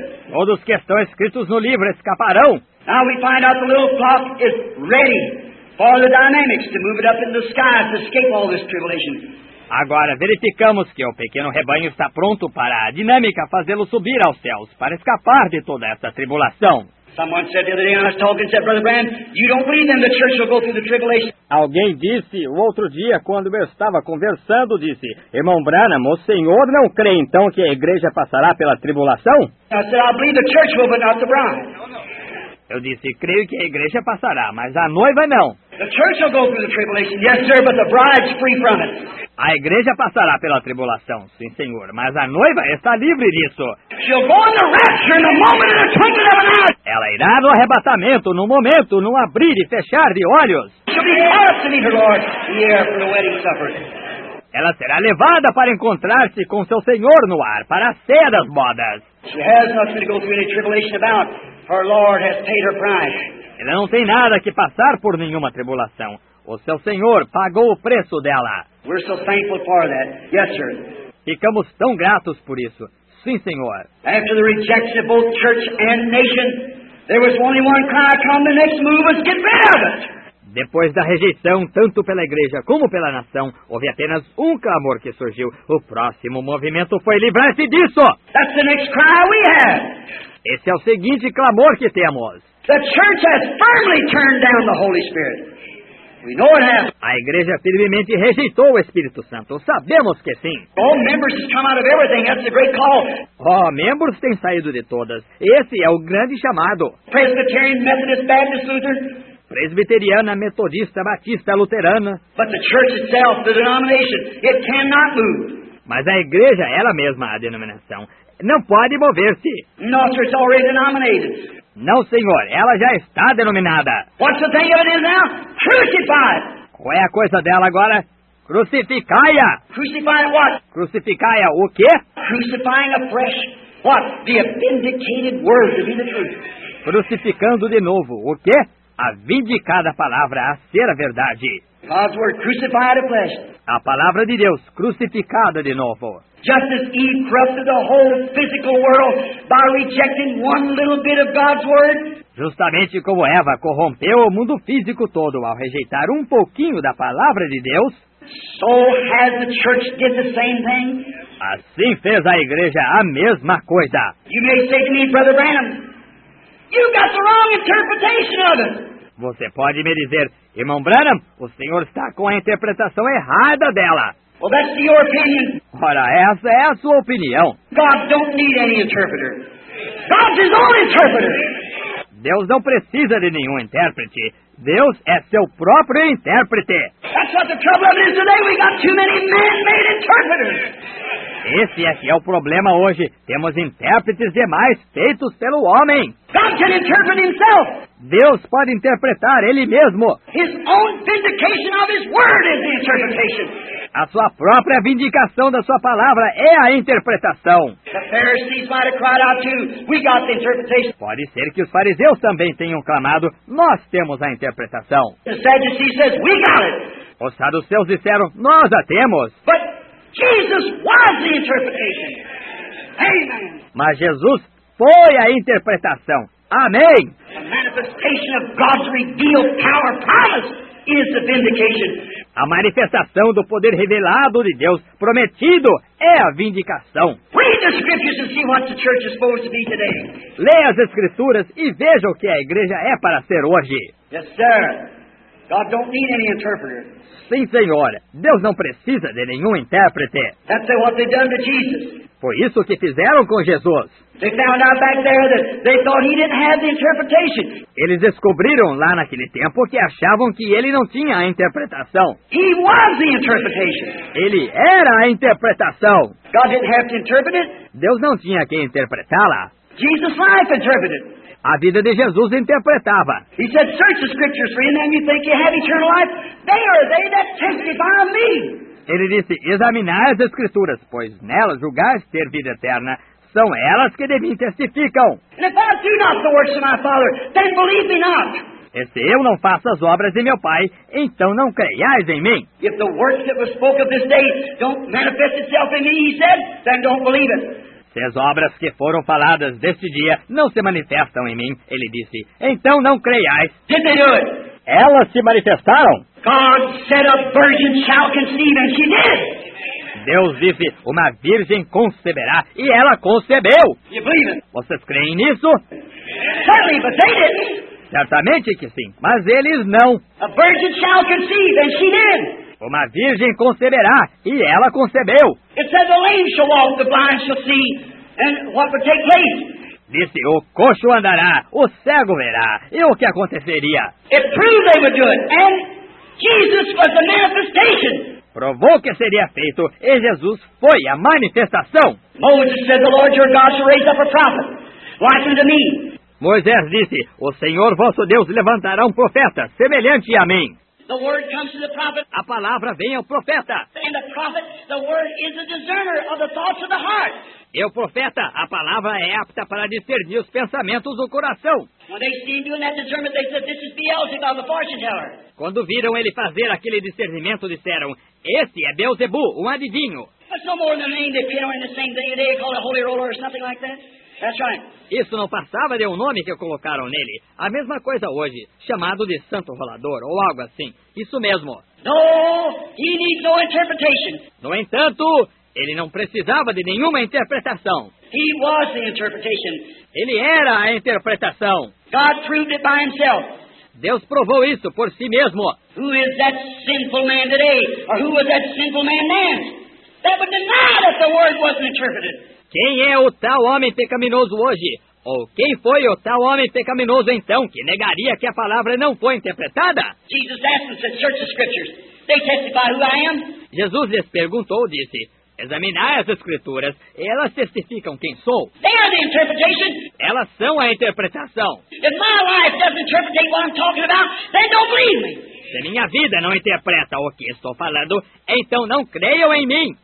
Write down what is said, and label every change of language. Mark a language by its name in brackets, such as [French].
[Portuguese] Todos que estão escritos no livro escaparão. Agora nós encontramos que o pequeno clock está pronto. [English] For the dynamics to move it up in the sky to escape all this tribulation. [Portuguese] Agora verificamos que o pequeno rebanho está pronto para a dinâmica fazê-lo subir aos céus para escapar de toda essa tribulação. [English] Someone said the other day, I was talking, said Brother Brand, you don't believe then the church will go through the tribulation. [Portuguese] Alguém disse o outro dia quando eu estava conversando, disse, irmão Branham, o senhor não crê então que a igreja passará pela tribulação? [English] I said I believe the church will, but not the bride. No. [Portuguese] Eu disse, creio que a igreja passará, mas a noiva não. [English] The church will go through the tribulation, yes, sir, but the bride's free from it. [Portuguese] A igreja passará pela tribulação, sim, senhor, mas a noiva está livre disso. [English] She'll go in the rapture in the moment of the twinkling of an eye. [Portuguese] Ela irá no arrebatamento, no momento, no abrir e fechar de olhos. [English] She'll be brought to meet her Lord here for the wedding supper. [Portuguese] Ela será levada para encontrar-se com seu senhor no ar, para a ceia das bodas. [English] She has nothing to go through any tribulation about. Her Lord has paid her price. [Portuguese] Ela não tem nada que passar por nenhuma tribulação. O seu Senhor pagou o preço dela. [English] We're so thankful for that. Yes, sir. [Portuguese] Ficamos tão gratos por isso. Sim, Senhor. [English] After the rejection of both church and nation, there was only one cry, come, the next move is get rid of it. [Portuguese] Depois da rejeição, tanto pela igreja como pela nação, houve apenas um clamor que surgiu. O próximo movimento foi livrar-se disso. [English] That's the next cry we have. [Portuguese] Esse é o seguinte clamor que temos. [English] The church has firmly turned down the Holy Spirit. We know it has. [Portuguese] A igreja firmemente rejeitou o Espírito Santo. Sabemos que sim. [English] All members have come out of everything. That's the great call. [Portuguese] Oh, membros têm saído de todas. Esse é o grande chamado. [English] Presbyterian, Methodist, Baptist, Luther. [Portuguese] Presbiteriana, Metodista, Batista, Luterana. [English] But the church itself, the denomination, it cannot move. [Portuguese] Mas a igreja, ela mesma, a denominação, não pode mover-se. [English] Nossa, already denominated. [Portuguese] Não, senhor, ela já está denominada. [English] What's the thing of it now? Crucified. [Portuguese] Qual é a coisa dela agora? Crucificai-a. [English] Crucify what? [Portuguese] Crucificai-a o quê? [English] Crucifying afresh. What? The vindicated word to be the truth. [Portuguese] Crucificando de novo, o quê? A vindicada palavra a ser a verdade. [English] God's word crucified afresh. [Portuguese] A palavra de Deus crucificada de novo. [English] Just as Eve corrupted the whole physical world by rejecting one little bit of God's word. [Portuguese] Justamente como Eva corrompeu o mundo físico todo ao rejeitar um pouquinho da palavra de Deus. [English] So has the church did the same thing. [Portuguese] Assim fez a igreja a mesma coisa. [English] You may say to me, Brother Branham, you got the wrong interpretation of it. [Portuguese] Você pode me dizer, irmão Branham, o senhor está com a interpretação errada dela. [English] Well, that's your opinion. [Portuguese] Ora, essa é a sua opinião. [English] God don't need any interpreter. God's his own interpreter. [Portuguese] Deus não precisa de nenhum intérprete. Deus é seu próprio intérprete. [English] That's what the trouble of it is today. We got too many man-made interpreters. [Portuguese] Esse é que é o problema hoje. Temos intérpretes demais feitos pelo homem. [English] God can interpret himself. [Portuguese] Deus pode interpretar ele mesmo. [English] His own vindication of his word is the interpretation. [Portuguese] A sua própria vindicação da sua palavra é a interpretação. [English] The Pharisees might have cried out too. We got the interpretation. [Portuguese] Pode ser que os fariseus também tenham clamado. Nós temos a interpretação. [English] The Sadducees says we got it. [Portuguese] Os saduceus disseram, nós a temos. [English] But Jesus was the interpretation. Amen. [Portuguese] Mas Jesus foi a interpretação. Amém. [English] The manifestation of God's revealed power promised is the vindication. [Portuguese] A manifestação do poder revelado de Deus prometido é a vindicação. [English] Read the scriptures and see what the church is supposed to be today. [Portuguese] Leia as escrituras e veja o que a igreja é para ser hoje. [English] Yes, sir. God don't need any interpreter. [Portuguese] Sim, senhora. Deus não precisa de nenhum intérprete. [English] That's what they done to Jesus. [Portuguese] Foi isso que fizeram com Jesus. [English] They found out back there that they thought he didn't have the interpretation. [Portuguese] Eles descobriram lá naquele tempo que achavam que ele não tinha a interpretação. [English] He was the interpretation. [Portuguese] Ele era a interpretação. [English] God didn't have to interpret it. [Portuguese] Deus não tinha que interpretá-la. [English] Jesus' life interpreted. [Portuguese] A vida de Jesus interpretava. [English] He said, "Search the scriptures for in them you think you have eternal life. They are they that testify of me." [Portuguese] Ele disse, examinai as escrituras, pois nelas julgais ter vida eterna. São elas que de mim testificam. [English] And if I do not the works of my Father, then believe me not. [Portuguese] E se eu não faço as obras de meu Pai, então não creiais em mim. [English] If the works that were spoken of this day don't manifest itself in me, he said, then don't believe it. [Portuguese] Se as obras que foram faladas deste dia não se manifestam em mim, ele disse, então não creiais. [English] Did they do it? [Portuguese] Elas se manifestaram. [English] God said a virgin shall conceive, and she did. [Portuguese] Deus disse, uma virgem conceberá, e ela concebeu. [English] You believe it? [Portuguese] Vocês creem nisso? [English] Certainly, but they didn't. [Portuguese] Certamente que sim, mas eles não. [English] A virgin shall conceive, and she did. [Portuguese] Uma virgem conceberá, e ela concebeu. [English] It said the lame shall walk, the blind shall see, and what would take place. [Portuguese] Disse, o coxo andará, o cego verá, e o que aconteceria? [English] It proved they would do it, and Jesus was the manifestation. [Portuguese] Provou que seria feito, e Jesus foi a manifestação. [English] Moses said the Lord your God shall raise up a prophet, like unto me. [Portuguese] Moisés disse, o Senhor vosso Deus levantará um profeta, semelhante a mim. [English] The word comes to the prophet. [Portuguese] A palavra vem ao profeta. [English] And the prophet, the word is a discerner of the thoughts of the heart. [Portuguese] E o profeta, a palavra é apta para discernir os pensamentos do coração. [English] When they see him doing that discernment, they said, this is Beelzebub, the fortune teller. [Portuguese] Quando viram ele fazer aquele discernimento, disseram, esse é Beelzebu, um adivinho. [English] That's no more than a name they can in the same thing today, called a holy roller or something like that. That's right. [Portuguese] Isso não passava de um nome que colocaram nele. A mesma coisa hoje, chamado de Santo Rolador ou algo assim. Isso mesmo. [English] No, he needs no interpretation. [Portuguese] No entanto, ele não precisava de nenhuma interpretação. [English] He was the interpretation. [Portuguese] Ele era a interpretação. [English] God proved it by himself. [Portuguese] Deus provou isso por si mesmo. [English] Who is that sinful man today? Or who was that sinful man then? That would deny that the word wasn't interpreted. [Portuguese] Quem é o tal homem pecaminoso hoje? Ou quem foi o tal homem pecaminoso então que negaria que a palavra não foi interpretada? [English] Jesus asked them, said, search the scriptures. They testify who I am. [Portuguese] Jesus lhes perguntou, disse, examinai as Escrituras, elas testificam quem sou. [English] They are the interpretation. [Portuguese] Elas são a interpretação. [English] If my life doesn't interpretate what I'm talking about, then don't believe me. [Portuguese] Se minha vida não interpreta o que estou falando, então não creiam em mim.